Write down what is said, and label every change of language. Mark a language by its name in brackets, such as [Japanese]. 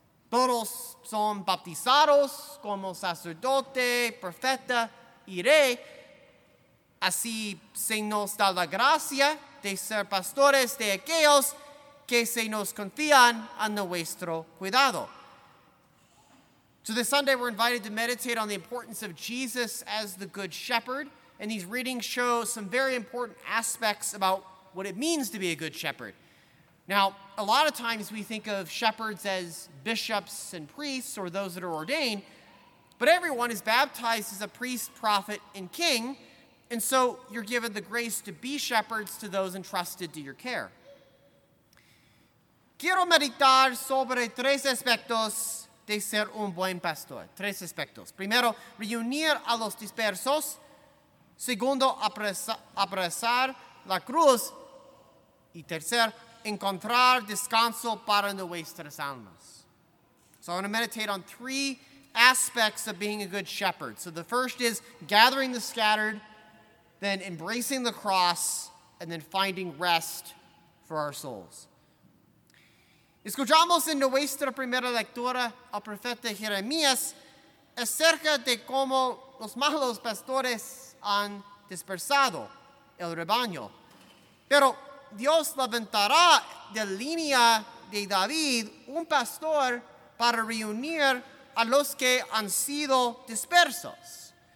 [Spanish] Todos son bautizados como sacerdote, profeta y rey. Así se nos da la gracia de ser pastores de aquellos que se nos confían a nuestro cuidado. [English] So this Sunday we're invited to meditate on the importance of Jesus as the good shepherd. And these readings show some very important aspects about what it means to be a good shepherd. Now, a lot of times we think of shepherds as bishops and priests or those that are ordained, but everyone is baptized as a priest, prophet, and king, and so you're given the grace to be shepherds to those entrusted to your care. [Spanish] Quiero meditar sobre tres aspectos de ser un buen pastor. Tres aspectos. Primero, reunir a los dispersos. Segundo, abrazar la cruz. Y tercer, encontrar descanso para nuestras almas. [English] So I want to meditate on three aspects of being a good shepherd. So the first is gathering the scattered, then embracing the cross, and then finding rest for our souls. [Spanish] Escuchamos en nuestra primera lectura al profeta Jeremías acerca de cómo los malos pastores han dispersado el rebaño. Pero Dios levantará de línea de David un pastor para reunir a los que han sido dispersos.